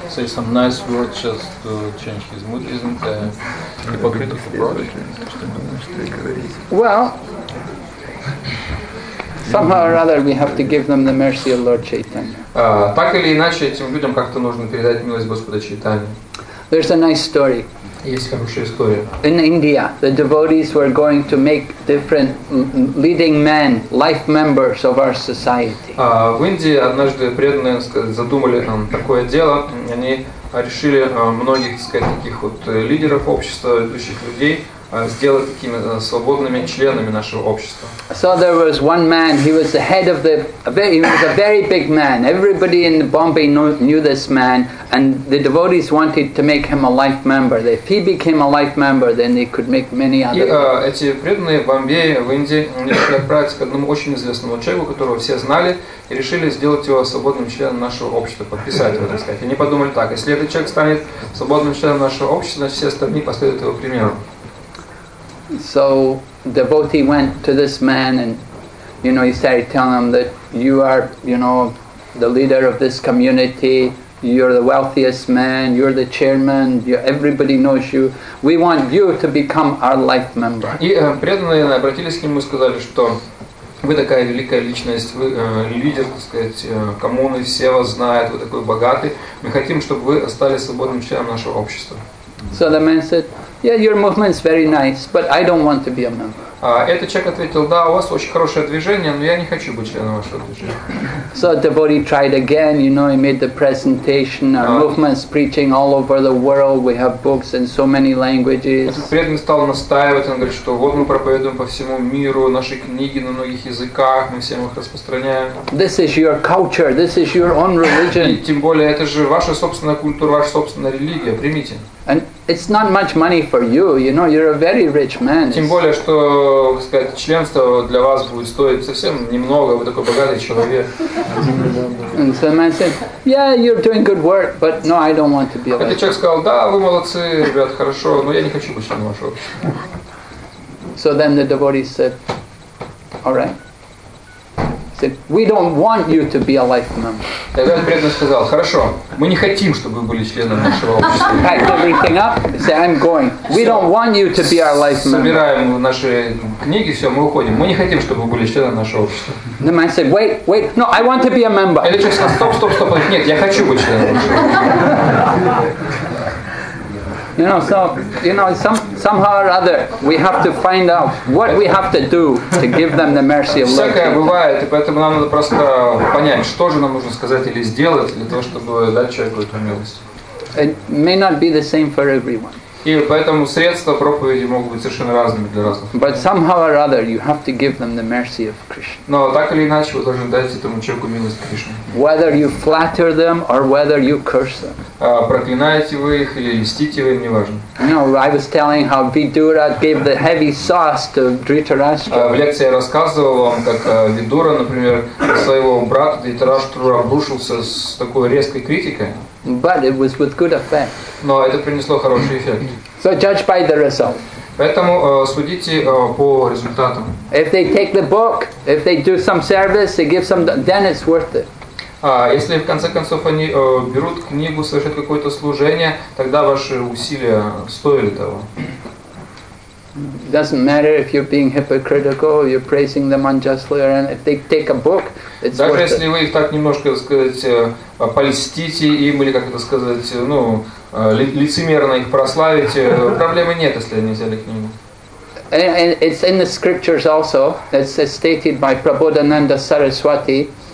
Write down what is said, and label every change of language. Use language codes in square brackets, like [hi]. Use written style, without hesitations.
[en] Say some nice words just to change his mood, isn't a hypocritical approach? Well, somehow or other we have to give them the mercy of Lord Chaitanya. [ru] Так или иначе, этим людям как-то нужно передать милость Господа Чайтаньи. [en] There's a nice story. [ru] Есть хорошая история. [en] In India, the devotees were going to make different leading men, life members of our society. [ru] В Индии однажды преданные задумали такое дело. Они решили многих, таких вот лидеров общества, ведущих людей, сделать такими свободными членами нашего общества. [en] So there was one man, he was the head of he was a very big man. Everybody in Bombay knew this man, and the devotees wanted to make him a life member. If he became a life member, then they could make many others. [ru] И эти преданные в Бомбее, в Индии, решили отправиться к одному очень известному человеку, которого все знали, и решили сделать его свободным членом нашего общества, подписать его, так сказать. Они подумали так, если этот человек станет свободным членом нашего общества, значит все остальные последуют его примеру. [en] So devotee went to this man and, you know, he started telling him that you are, you know, the leader of this community, you're the wealthiest man, you're the chairman, everybody knows you. We want you to become our life member. [ru] И преданные обратились к нему и сказали, что вы такая великая личность, вы лидер, так сказать, коммуны, все вас знают, вы такой богатый. Мы хотим, чтобы вы стали свободным членом нашего общества. [en] So the man said, yeah, your movement's very nice, but I don't want to be a member. [ru] Этот человек ответил, да, у вас очень хорошее движение, но я не хочу быть членом вашего движения. [en] So the devotee tried again, you know, he made the presentation, our movement's preaching all over the world, we have books in so many languages. [ru] Этот преданный стал настаивать, он говорит, что вот мы проповедуем по всему миру, наши книги на многих языках, мы всем их распространяем. [en] This is your culture, this is your own religion. [ru] И тем более, это же ваша собственная культура, ваша собственная религия, примите. [en] And it's not much money for you, you know, you're a very rich man. [ru] Тем более, что, так сказать, членство для вас будет стоить совсем немного, вы такой богатый человек. [en] And so the man said, yeah, you're doing good work, but no, I don't want to be a leader. [ru] Этот человек сказал, да, вы молодцы, ребят, хорошо, но я не хочу быть членом вашего. [en] So then the devotee said, all right, said, we don't want you to be a life member. [ru] Тогда он преданно сказал, хорошо, мы не хотим, чтобы вы были членом нашего общества. [en] Packed everything up, said, I'm going. We don't want you to be our life member. [ru] Собираем наши книги, все, мы уходим. Мы не хотим, чтобы вы были членом нашего общества. [en] The man said, wait, wait, no, I want to be a member. [ru] Этот человек сказал, стоп, стоп, стоп, нет, я хочу быть членом общества. [en] You know, so, you know, somehow or other, we have to find out what we have to do to give them the mercy of Lord. [ru] Всякое бывает, и поэтому нам надо просто понять, что же нам нужно сказать или сделать для того, чтобы дать человеку эту милость. [en] It may not be the same for everyone. [ru] И поэтому средства проповеди могут быть совершенно разными для разных. [en] But somehow or other, you have to give them the mercy of Krishna. [ru] Но так или иначе, вы должны дать этому человеку милость Кришны. [en] Whether you flatter them or whether you curse them. [ru] Проклинаете вы их или льстите вы им, неважно. [en] No, I was telling how Vidura gave the heavy sauce to Dhritarashtra. [ru] В лекции я рассказывал вам, как Видура, например, своего брата Дхритарашту обрушился с такой резкой критикой. [en] But it was with good effect. [ru] Но это принесло хороший эффект. [en] So judge by the result. [ru] Поэтому судите по результатам. [en] If they take the book, if they do some service, they give some, then it's worth it. [ru] Если в конце концов они берут книгу, совершают какое-то служение, тогда ваши усилия стоили того. [en] It doesn't matter if you're being hypocritical, you're praising them unjustly, or if they take a book, it's worth it. [ru] Даже если вы их так немножко, сказать, польстите им, или, как это сказать, ну, лицемерно их прославите, проблемы нет, если они взяли книгу. [en] And it's in the scriptures also, it's stated by Prabodhananda Saraswati.